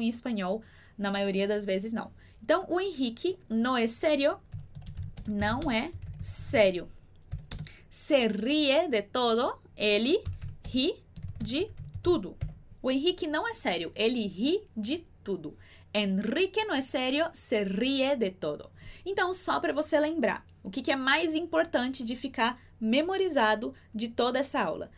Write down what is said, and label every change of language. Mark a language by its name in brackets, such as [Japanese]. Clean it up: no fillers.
[Portuguese] Em espanhol, na maioria das vezes, não. Então, o [Spanish] Enrique no es serio. [Portuguese] Não é sério. [Spanish] Se rie de todo, [Portuguese] ele ri de tudo. O Henrique não é sério, ele ri de tudo. [Spanish] Enrique no es serio, se rie de todo. [Portuguese] Então, só para você lembrar, o que que é mais importante de ficar memorizado de toda essa aula?